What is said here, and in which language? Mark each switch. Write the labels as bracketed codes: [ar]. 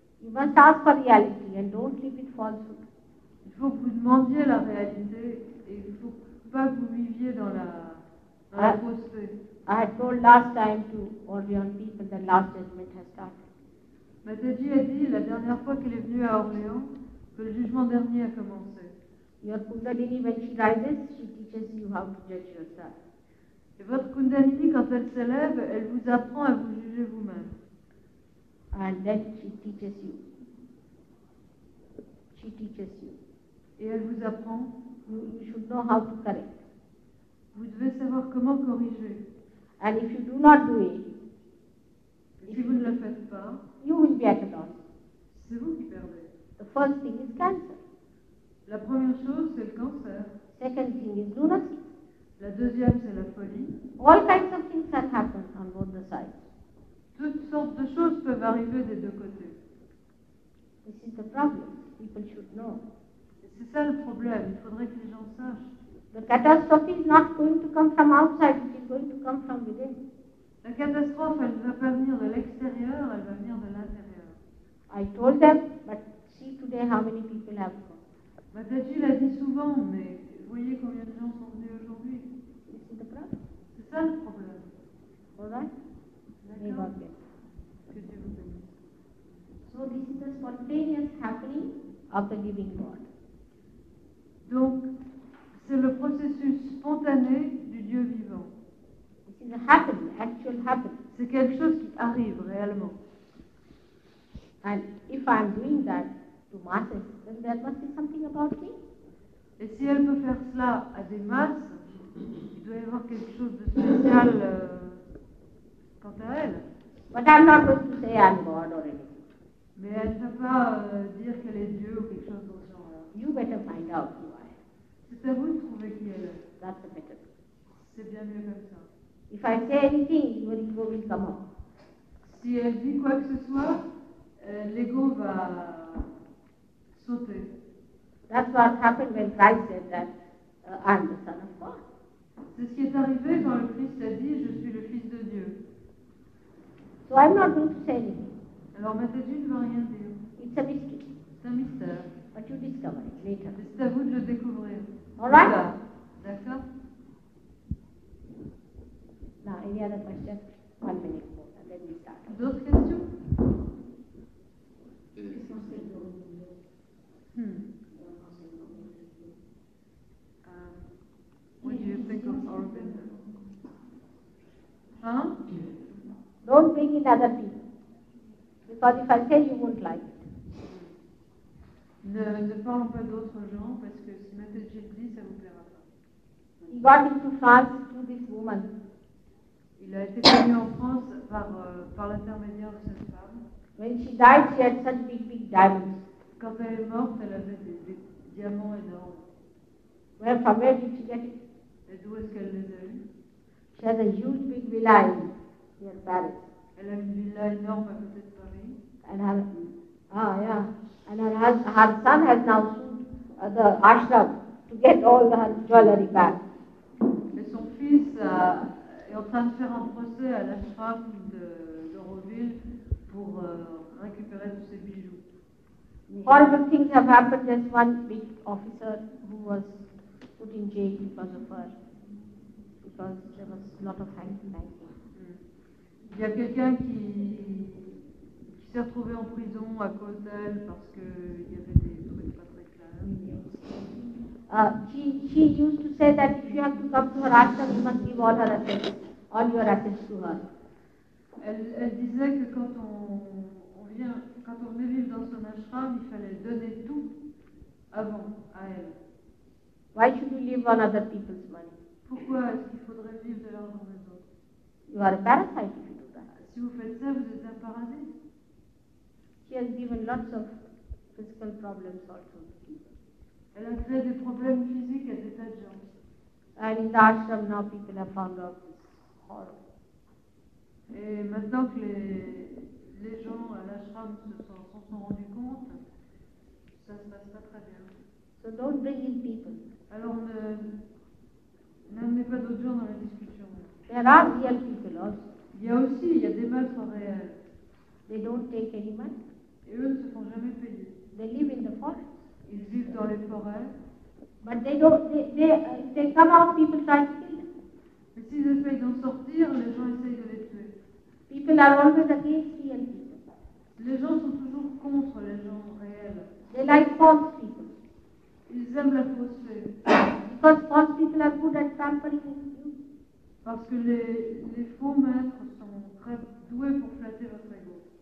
[en] You must ask for reality and don't live in falsehood. [fr] Il faut que vous demandiez la réalité et il faut pas que vous viviez dans la fausseté. [en] I had told last time to Orléans people that last judgment has started. [fr] Mataji a dit la dernière fois qu'elle est venue à Orléans que le jugement dernier a commencé. [en] Your Kundalini, when she rises, she teaches you how to judge yourself. [fr] Et votre Kundalini, quand elle se lève, elle vous apprend à vous juger vous-même. [en] And then she teaches you. She teaches you. [fr] Et elle vous apprend. [en] You should know how to correct. [fr] Vous devez savoir comment corriger. [en] And if you do not do it, [fr] si vous ne le faites pas, [en] you will be at a loss. [fr] C'est vous qui perdez. [en] The first thing is cancer. [fr] La première chose, c'est le cancer. [en] Second thing is lunacy. [fr] La deuxième, c'est la folie. [en] All kinds of things can happen on both the sides. [fr] Toutes sortes de choses peuvent arriver des deux côtés. [en] This is the problem. People should know. [fr] C'est ça le problème. Il faudrait que les gens sachent. [en] The catastrophe is not going to come from outside, it is going to come from within. [fr] La catastrophe, elle ne va pas venir de l'extérieur, elle va venir de l'intérieur. [en] I told them, but see today how many people have come. [fr] Mataji l'a dit souvent, mais voyez combien de gens sont venus aujourd'hui. [en] This is the problem. [fr] C'est ça le problème. [en] All right? [fr] D'accord. Que Dieu vous bénisse. [en] So this is the spontaneous happening of the living God. [fr] Donc, c'est le processus spontané du Dieu vivant. [en] It is a happening, actual happening. [fr] C'est quelque chose qui arrive réellement. [en] And if I am doing that to masses, then there must be something about me. [fr] Et si elle peut faire cela à des masses, il doit y avoir quelque chose de spécial quant à elle. [en] But I'm not going to say I'm God or anything. [fr] Mais elle ne peut pas dire qu'elle est Dieu ou quelque chose de ce genre. [en] You better find out. [fr] C'est à vous de trouver qui elle est. [en] That's the method. [fr] C'est bien mieux comme ça. [en] If I say anything, your ego will come up. [fr] Si elle dit quoi que ce soit, l'ego va sauter. [en] That's what happened when Christ said that I'm the Son of God. [fr] C'est ce qui est arrivé quand le Christ a dit je suis le Fils de Dieu. [en] So I'm not going to say anything. [fr] Alors Mataji ne va rien dire. [en] It's a mystery. [fr] C'est un mystère. [en] But you discover it later. [fr] C'est à vous de le découvrir. [en] All right? [fr] Là. D'accord. [en] Now, any other questions? 1 minute more, and then we start. [fr] D'autres questions? [en] What do you think of our business? Huh? Don't bring in other people. Because if I say you won't like it. [fr] Ne parlons pas d'autres gens parce que si Mataji le dit, ça ne vous plaira pas. [en] He got into France through this woman. [fr] Il a été venu en France par l'intermédiaire de cette femme. [en] When she died, she had such big diamonds. [fr] Quand elle est morte, elle avait des diamants énormes. [en] Well, from where did she get it? [fr] Et d'où est-ce qu'elle les a eus? [en] She has a huge big villa near Paris. [fr] Elle a une villa énorme à côté de Paris. [en] And her, And her son has now sued the ashram to get all the jewelry back. [fr] Et son fils est en train de faire un procès à l'ashram de Auroville pour récupérer tous ses bijoux. [en] All the things have happened. There's one big officer who was put in jail because of her, because there was a lot of hanky-panky. [fr] Il y a quelqu'un qui s'est retrouvé en prison à cause d'elle parce que il y avait des trucs pas très clairs. [en] She used to say that if you have to come to her ashram, you must give all her assets, all your assets to her. [fr] Elle disait que quand on venait vivre dans son ashram, il fallait donner tout avant à elle. [en] Why should you live on other people's money? [fr] Pourquoi est-ce qu'il faudrait vivre de l'argent des autres? [en] You are a parasite if you do that. [fr] Si vous faites ça, vous êtes un parasite. [en] She has given lots of physical problems also. [fr] Elle a créé des problèmes physiques à des tas de gens. [en] And in the ashram now people have found out it's horrible. [fr] Et maintenant que les gens à l'ashram se sont rendus compte, ça se passe pas très bien. [en] So don't bring in people. [fr] Alors n'amenez pas d'autres gens dans la discussion. [en] There are real people also. [fr] Il y a des maîtres réels. [en] They don't take any money. [fr] Et eux ne se font jamais payer. [en] They live in the forest. [fr] Ils vivent dans les forêts. [en] But they don't. They come out. People try to kill them. [fr] Mais s'ils essayent d'en sortir, les gens essayent de les tuer. [en] People are always against real people. [fr] Les gens sont toujours contre les gens réels. [en] They like false people. [fr] Ils aiment la fausse [en] Because false people are good at pampering you. [fr] Parce que les faux maîtres sont très doués pour flatter votre ego.